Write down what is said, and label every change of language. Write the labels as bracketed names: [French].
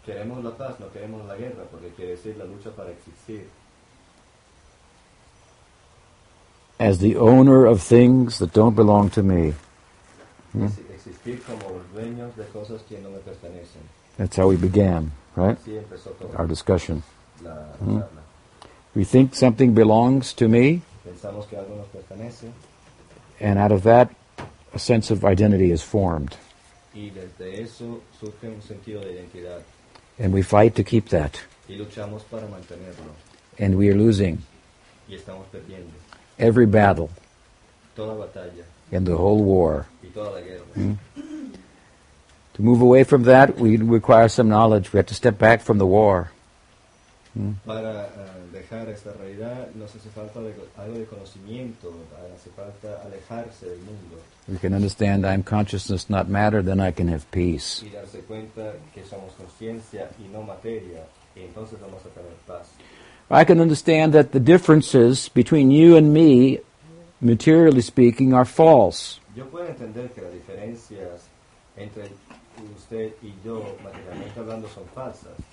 [Spanish] Queremos la paz, no queremos la guerra, porque quiere decir la lucha para existir. [English] As the owner of things that don't belong to me. [Spanish] Existir como los dueños de cosas que no me pertenecen. [English] That's how we began, right? [Spanish] Así empezó todo. [English] Our discussion. [Spanish] La charla. [English] We think something belongs to me. [Spanish] Pensamos que algo nos pertenece. [English] And out of that, a sense of identity is formed. [Spanish] Y desde eso surge un sentido de identidad. [English] And we fight to keep that. [Spanish] Y luchamos para mantenerlo. [English] And we are losing. [Spanish] Y estamos perdiendo. [English] Every battle. [Spanish] Toda batalla. [English] And the whole war. [Spanish] Y toda la guerra. [English] To move away from that, we require some knowledge. We have to step back from the war. [Spanish] Para dejar esta realidad, nos hace falta algo de conocimiento. Hace falta alejarse del mundo. [English] We can understand I'm consciousness, not matter, then I can have peace. [Spanish] Y darse cuenta que somos conciencia y no materia, y entonces vamos a tener paz. [English] I can understand that the differences between you and me, materially speaking, are false. [Spanish] Yo puedo entender que las diferencias entre usted y yo, materialmente hablando, son falsas.